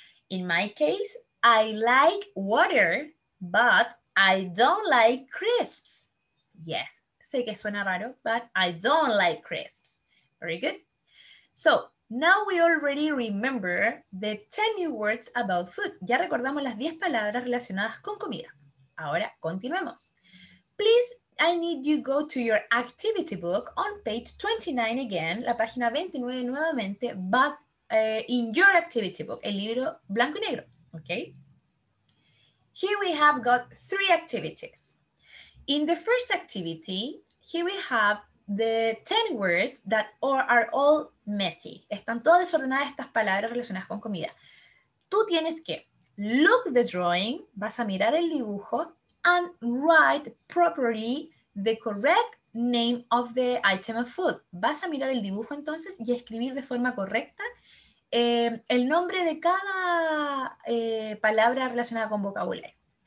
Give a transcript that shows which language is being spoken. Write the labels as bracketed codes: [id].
[en] In my case, I like water, but I don't like crisps. Yes, [es] sé que suena raro, [en] but I don't like crisps. Very good. So, now we already remember the 10 new words about food. [es] Ya recordamos las 10 palabras relacionadas con comida. Ahora, continuemos. [en] Please, I need you go to your activity book on page 29 again, [es] la página 29 nuevamente, [en] but in your activity book, [es] el libro blanco y negro, [en] okay? Here we have got three activities. In the first activity, here we have the 10 words that are all messy. [es] Están todas desordenadas estas palabras relacionadas con comida. Tú tienes que [en] look the drawing, [es] vas a mirar el dibujo, [en] and write properly the correct name of the item of food. [es] Vas a mirar el dibujo entonces y escribir de forma correcta el nombre de cada palabra relacionada con vocabulario.